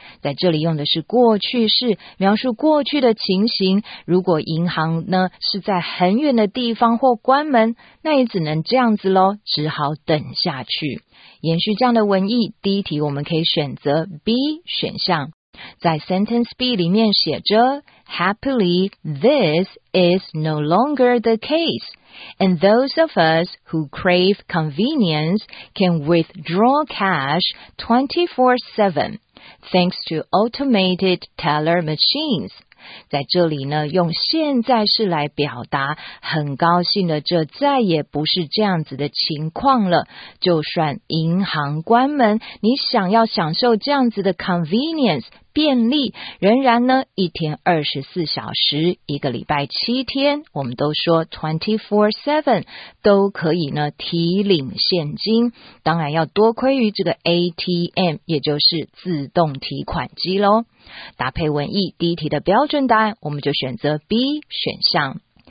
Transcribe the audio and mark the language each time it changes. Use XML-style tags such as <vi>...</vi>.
<zh>在这里用的是过去式，描述过去的情形。如果银行呢是在很远的地方或关门，那也只能这样子咯，只好等下去。延续这样的文意，第一题我们可以选择 B 选项。在</zh> <en>sentence B</en> <zh>里面写着</zh> <en>Happily, this is no longer the case, and those of us who crave convenience can withdraw cash 24/7, thanks to automated teller machines.</en> <zh>在这里呢，用现在式来表达很高兴的，这再也不是这样子的情况了。就算银行关门，你想要享受这样子的 convenience。便利仍然呢一天24小时一个礼拜七天我们都说 24/7 都可以呢提领现金当然要多亏于这个 ATM 也就是自动提款机咯搭配文意第一题的标准答案我们就选择 B 选项</zh>